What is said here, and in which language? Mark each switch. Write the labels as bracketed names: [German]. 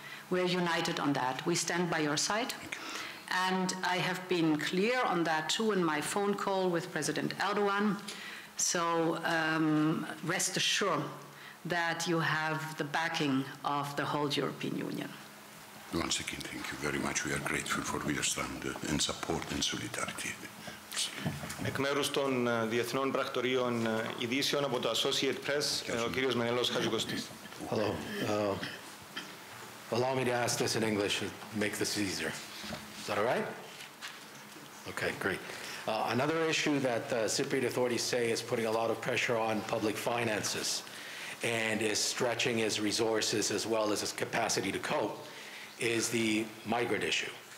[English] We're united on that. We stand by your side. And I have been clear on that, too, in my phone call with President Erdogan. So rest assured that you have the backing of the whole European Union. Once again, thank you very much. We are grateful for your stand and support and solidarity. [Greek] Εκ μέρους των Διεθνών Πρακτορείων Ειδήσεων από το Associate Press, ο κύριος Μενέλος Χατζηγωστής. [English] Hello. Allow me to ask this in English to make this easier. Is that all right? Okay, great. Another issue that Cypriot authorities say is putting a lot of pressure on public finances and is stretching its resources as well as its capacity to cope is the migrant issue.